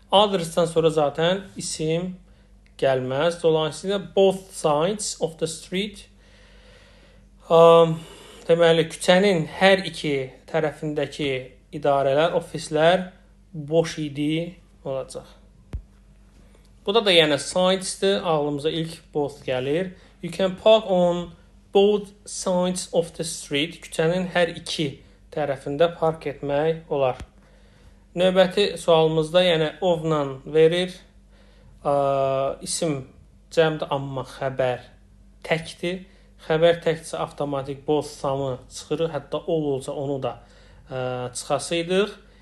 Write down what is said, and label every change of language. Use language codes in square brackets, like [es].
[az] Others-dan sonra zaten isim gəlməz. Dolayısıyla [en] both sides of the street. [az] Deməli, küçənin hər iki tərəfindəki idarələr, ofislər boş idi olacaq. Bu da yəni sides-dir. Ağlımıza ilk both gəlir. [en] You can park on both sides of the street. [az] Küçənin hər iki tərəfində park etmək olar. Növbəti sualımızda, yəni of-la verir, isim cəmdə amma xəbər təkdir. Xəbər təkdirsə avtomatik both sum-ı çıxırıq, hətta all olsa onu da çıxasıydıq.